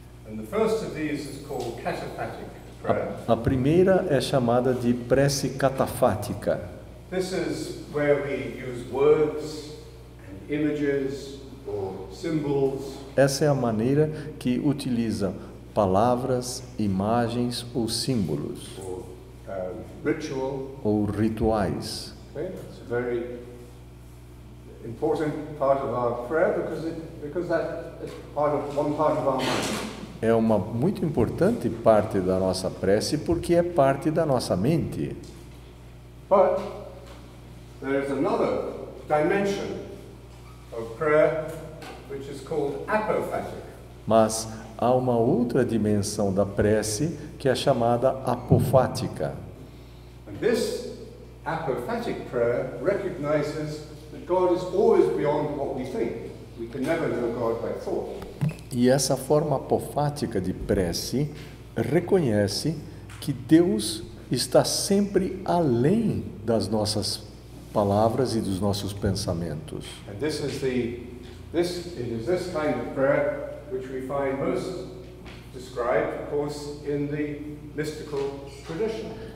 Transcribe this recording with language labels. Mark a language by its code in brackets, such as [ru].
[en] And the first of these is called cataphatic prayer. [pt] A primeira é chamada de prece cataphática. [en] This is where we use words and images or symbols. [pt] Essa é a maneira que utiliza palavras, imagens ou símbolos. [en] Ritual. [pt] Ou rituais. [en] It's a very important part of our prayer because that is one part of our mind. [pt] É uma muito importante parte da nossa prece porque é parte da nossa mente. [en] But there is another dimension of prayer which is called apophatic. [pt] Mas há uma outra dimensão da prece que é chamada apofática. [en] This apophatic prayer recognizes that God is always beyond what we think. We can never know God by thought. [pt] E essa forma apofática de prece reconhece que Deus está sempre além das nossas palavras e dos nossos pensamentos. [en] And this is this kind of prayer which we find most described, of course, in the mystical tradition.